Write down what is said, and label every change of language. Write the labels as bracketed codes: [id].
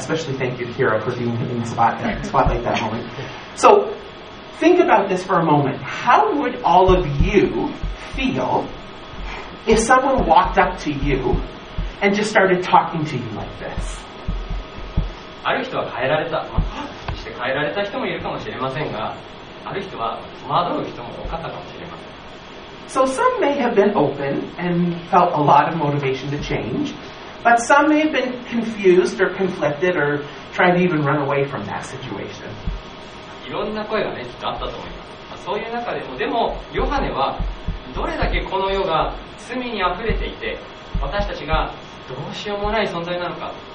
[en] Yeah, especially thank you, Hira, for being in the spotlight that moment. So, think about this for a moment. How would all of you feel if someone walked up to you and just started talking to you like this? [ja] ある人は変えられた、まあ、して変えられた人もいるかもしれませんが、ある人は戸惑う人も多かったかもしれません。 [en] So some may have been open and felt a lot of motivation to change, but some may have been confused or conflicted or tried to even run away from that situation. [ja] いろんな声がね、きっとあったと思います。まあ、そういう中でも、でもヨハネはどれだけこの世が罪にあふれていて、私たちがどうしようもない存在なのか、